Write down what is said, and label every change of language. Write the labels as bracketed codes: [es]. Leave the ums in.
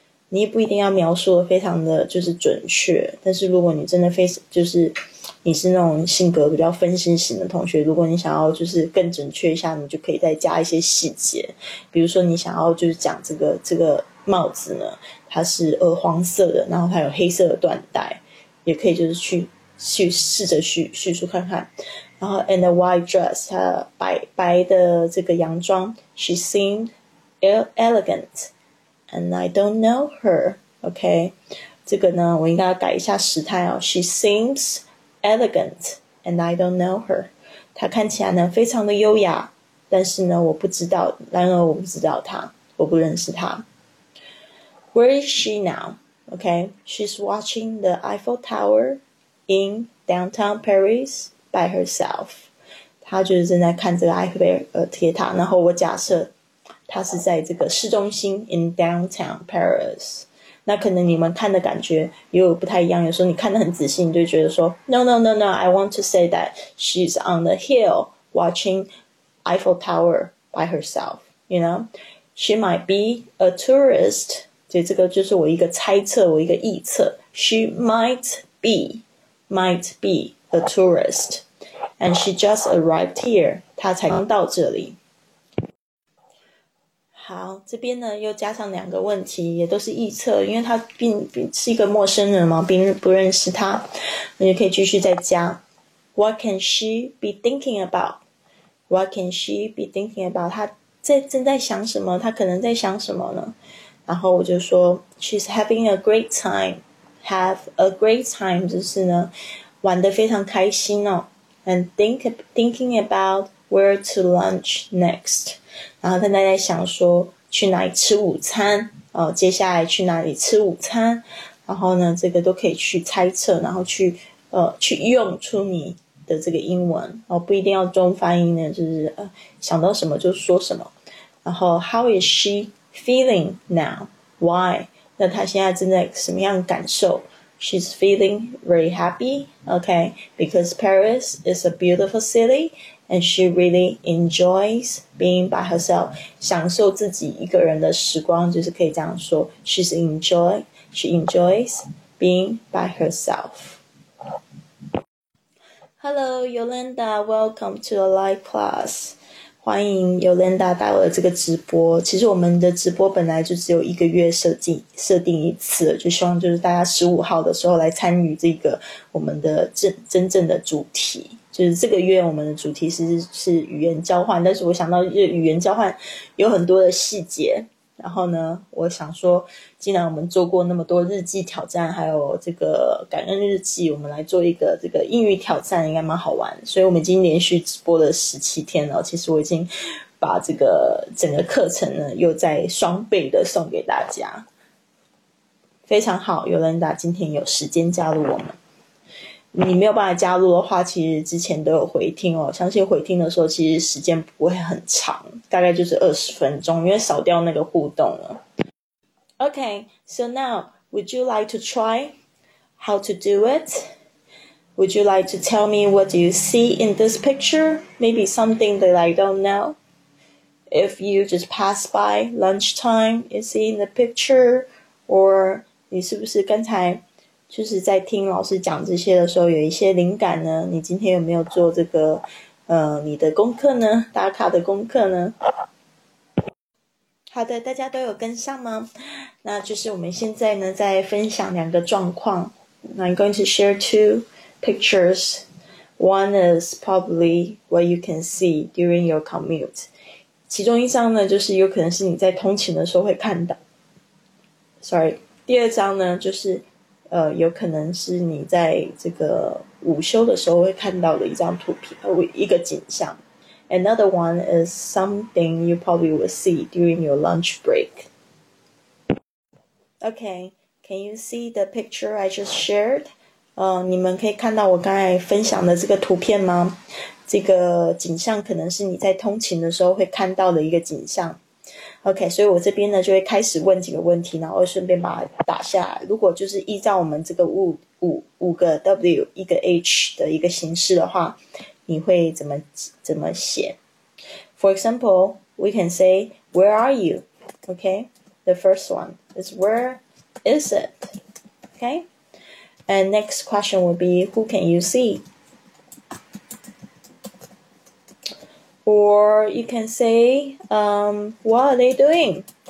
[zh] 你也不一定要描述的非常的就是准确，但是如果你真的非就是你是那种性格比较分析型的同学，如果你想要就是更准确一下，你就可以再加一些细节，比如说你想要就是讲这个这个帽子呢，它是鹅黄色的，然后它有黑色的缎带，也可以就是去去试着叙叙述看看。然后 [en] and a white dress， [zh] 它白白的这个洋装， [en] she seemed elegant. and I don't know her. [zh] Okay，这个呢，我应该要改一下时态哦。 [en] She seems elegant, and I don't know her。 [zh] 她看起来呢非常的优雅，但是呢我不知道，然而我不知道她，我不认识她。 [en] Where is she now? Okay, she's watching the Eiffel Tower in downtown Paris by herself. [zh] 她就是正在看这个埃菲尔铁塔，然后我假设它是在这个市中心 [en] in downtown Paris。 [zh] 那可能你们看的感觉也有不太一样，有时候你看的很仔细，你就觉得说 [en] no no no no，I want to say that she's on the hill watching Eiffel Tower by herself。 You know, she might be a tourist。 [zh] 所以这个就是我一个猜测，我一个臆测。 [en] She might be, might be a tourist, and she just arrived here。 [zh] 她才刚到这里。Uh. 好，这边呢又加上两个问题，也都是预测，因为他并是一个陌生人嘛，并不认识他，那就可以继续再加。 [en] What can she be thinking about? What can she be thinking about? [zh] 他在正在想什么？他可能在想什么呢？然后我就说， [en] She's having a great time. Have a great time， [zh] 就是呢，玩的非常开心哦。 [en] And think thinking about where to lunch next. [zh] 然后他在在想说去哪里吃午餐，呃，接下来去哪里吃午餐？然后呢，这个都可以去猜测，然后去呃去用出你的这个英文，哦，不一定要中翻译呢，就是呃想到什么就说什么。然后 [en] How is she feeling now? Why? [zh] 那她现在正在什么样感受？ [en] She's feeling very happy. Okay, because Paris is a beautiful city. And she really enjoys being by herself， [zh] 享受自己一个人的时光，就是可以这样说。 [en] She's enjoy, she enjoys being by herself. Hello, Yolanda, welcome to the live class. [zh] 欢迎 Yolanda 带我的这个直播。其实我们的直播本来就只有一个月设定设定一次，就希望就是大家十五号的时候来参与这个我们的真真正的主题。就是这个月我们的主题是是语言交换，但是我想到就语言交换有很多的细节，然后呢，我想说，既然我们做过那么多日记挑战，还有这个感恩日记，我们来做一个这个英语挑战，应该蛮好玩。所以我们已经连续直播了十七天了，其实我已经把这个整个课程呢又在双倍的送给大家，非常好。尤人达今天有时间加入我们。你没有办法加入的话，其实之前都有回听哦。相信回听的时候，其实时间不会很长，大概就是二十分钟，因为少掉那个互动了。 [en] Okay, so now would you like to try how to do it? Would you like to tell me what do you see in this picture? Maybe something that I don't know. If you just pass by lunchtime, you see in the picture, or [zh] 你是不是刚才？就是在听老师讲这些的时候，有一些灵感呢。你今天有没有做这个，呃，你的功课呢？打卡的功课呢？好的，大家都有跟上吗？那就是我们现在呢，在分享两个状况。 [en] I'm going to share two pictures. One is probably what you can see during your commute. [zh] 其中一张呢，就是有可能是你在通勤的时候会看到。 Sorry，第二张呢，就是。呃，有可能是你在这个午休的时候会看到的一张图片，呃，一个景象。 [en] Another one is something you probably will see during your lunch break. Okay, can you see the picture I just shared? [zh] 呃，你们可以看到我刚才分享的这个图片吗？这个景象可能是你在通勤的时候会看到的一个景象。 OK，所以我这边呢就会开始问几个问题，然后顺便把它打下来。如果就是依照我们这个五五五个 W 一个 H 的一个形式的话，你会怎么怎么写？ [en] For example, we can say where are you? OK, the first one is where is it? OK, and next question will be who can you see? or you can say, um, what are they doing?